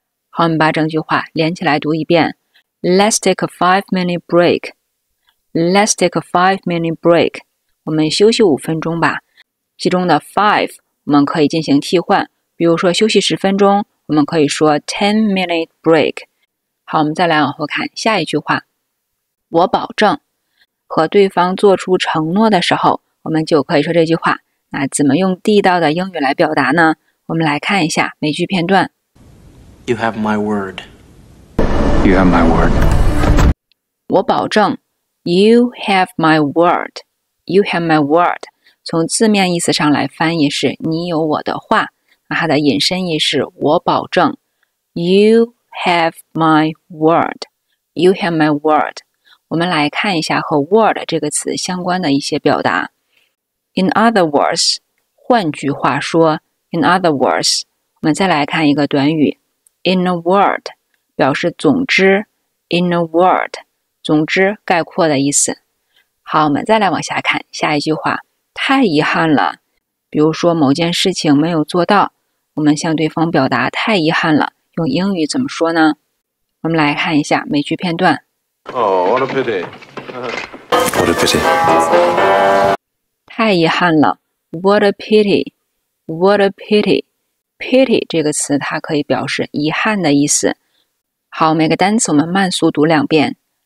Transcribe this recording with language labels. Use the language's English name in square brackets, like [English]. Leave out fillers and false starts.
[Chinese] 好，我们把整句话连起来读一遍。 [English] Let's take a 5 minute break. Let's take a 5 minute break. [Chinese] 我们休息五分钟吧。其中的 five 我们可以进行替换，比如说休息十分钟，我们可以说 [English] 10 minute break. [Chinese] 好，我们再来往后看下一句话。我保证，和对方做出承诺的时候，我们就可以说这句话。那怎么用地道的英语来表达呢？我们来看一下美剧片段。 [English] You have my word. You have my word. [Chinese] 我保证 [English] You have my word. You have my word. [Chinese] 从字面意思上来翻译是你有我的话，那它的引申意是我保证 [English] You have my word. You have my word. [Chinese] 我们来看一下和 word 这个词相关的一些表达。 [English] In other words, [Chinese] 换句话说 In other words, 我们再来看一个短语。 [English] In a word, [Chinese] 表示总之 ,in a word, 总之概括的意思。好，我们再来往下看下一句话。太遗憾了，比如说某件事情没有做到，我们向对方表达太遗憾了，用英语怎么说呢？我们来看一下美剧片段。 [English] Oh, what a pity. What a pity. [Chinese] 太遗憾了 [English] ,what a pity, what a pity. [Chinese] Pity 这个词它可以表示遗憾的意思。好，每个单词我们慢速读两遍。